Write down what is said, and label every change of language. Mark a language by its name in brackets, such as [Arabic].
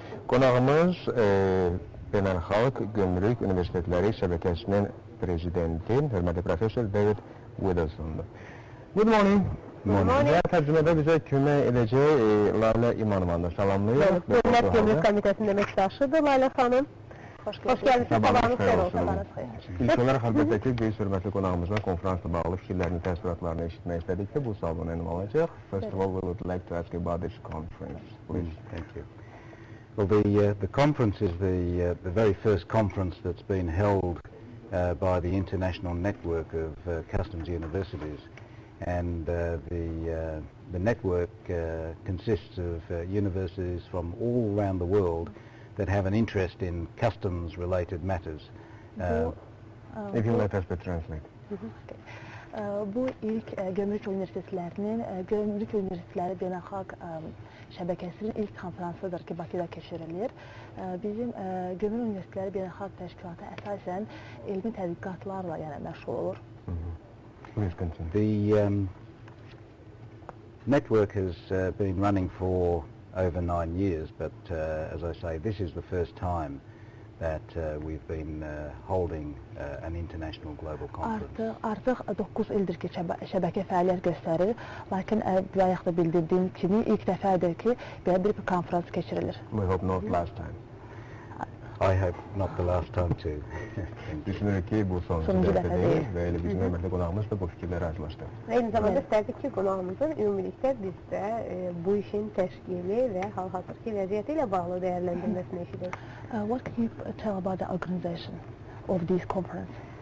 [Azerbaijani] Qonağımız Beynəlxalq Gömrük Universitetləri Şəbəkəsinin prezidenti, hörmətli professor David Widdowson'dur. [English] Good morning. [Azerbaijani] Və tərcümədə bizə kömək edəcək Lalə İmanovanda. Salamlayıq. Dövlət Gömrük Komitəsinin əməkdaşıdır Lalə xanım. [Turkish] Hoş geldiniz. İlk olarak elbette ki, büyük hürmetli konağımızla konferansla bağlı fikirlerini, təsiratlarını eşitmek istedik ki, bu salonu önüm alacak. [English] First of all, we would like to ask you about this conference, please. Thank you. Well, the conference is the very first conference that's been held by the International Network of Customs Universities. And the network consists of universities from all around the world that have an interest in customs related matters. If you let us translate. [Azerbaijani] Bu ilk gömrük universitetlərinin, gömrük universitetləri beynəlxalq şəbəkəsinin ilk konferansıdır ki, Bakıda keçirilir. Bizim gömrük universitetləri beynəlxalq təşkilatı əsasən elmi tədqiqatlarla yəni məşğul olur. [English] Please continue. The network has been running for over 9 years, but as I say, this is the first time that we've been holding an international global conference. [Azerbaijani] Artıq 9 ildir ki şəbəkə fəaliyyət göstərir, lakin bayaq da bildirdiyim kimi ilk dəfədir ki belə bir konferans keçirilir. [English] We hope not last time. I hope not the last time too. [Azerbaijani] Düşünürük ki bu sonuncu dəfə deyil və elə bizim əməkli qonağımız da bu fikirlərə razılaşdı. Eyni zamanda istərdik ki, qonağımızın ümumilikdə bizdə bu işin təşkili və hal-hazırki vəziyyəti ilə bağlı dəyərləndirməsini eşidir. [English] What can you tell about the organization of this conference?